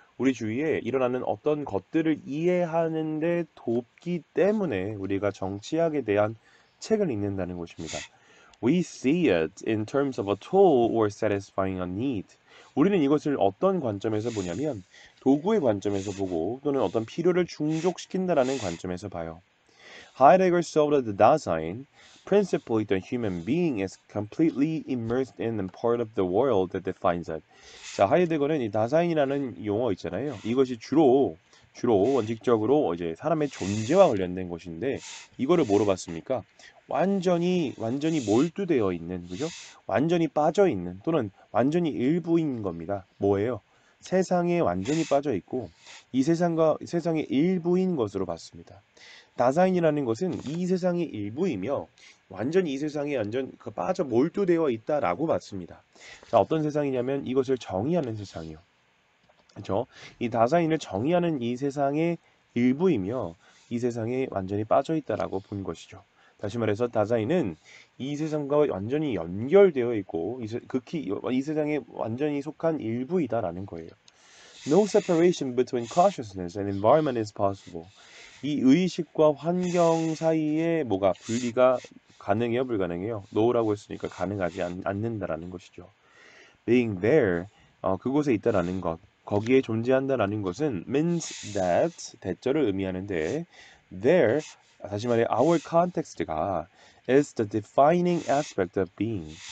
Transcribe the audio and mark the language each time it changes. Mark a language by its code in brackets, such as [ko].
[ko] 우리 주위에 일어나는 어떤 것들을 이해하는 데 돕기 때문에 우리가 정치학에 대한 책을 읽는다는 것입니다. [en] We see it in terms of a tool or satisfying a need. [ko] 우리는 이것을 어떤 관점에서 보냐면 도구의 관점에서 보고 또는 어떤 필요를 충족시킨다라는 관점에서 봐요. [en] Heidegger saw that the Dasein, principally the human being, is completely immersed in and part of the world that defines it. [ko] 자, 하이데거는 이 다사인이라는 용어 있잖아요. 이것이 주로 원칙적으로 이제 사람의 존재와 관련된 것인데 이거를 뭐로 봤습니까? 완전히 몰두되어 있는, 그죠? 완전히 빠져 있는 또는 완전히 일부인 겁니다. 뭐예요? 세상에 완전히 빠져 있고 이 세상과 세상의 일부인 것으로 봤습니다. 나사인이라는 것은 이 세상의 일부이며 완전히 이 세상에 완전 그 빠져 몰두되어 있다라고 봤습니다. 자, 어떤 세상이냐면 이것을 정의하는 세상이요. 그렇죠? 이 나사인을 정의하는 이 세상의 일부이며 이 세상에 완전히 빠져 있다라고 본 것이죠. 다시 말해서 다자인은 이 세상과 완전히 연결되어 있고 극히 이 세상에 완전히 속한 일부이다라는 거예요. [en] No separation between consciousness and environment is possible. [ko] 이 의식과 환경 사이에 뭐가 분리가 가능해요, 불가능해요? No라고 했으니까 가능하지 않는다라는 것이죠. [en] Being there, [ko] 그곳에 있다라는 것, 거기에 존재한다라는 것은 [en] means that [ko] 대절을 의미하는데 [en] there [ko] 다시 말해, [en] our context가 is the defining aspect of being.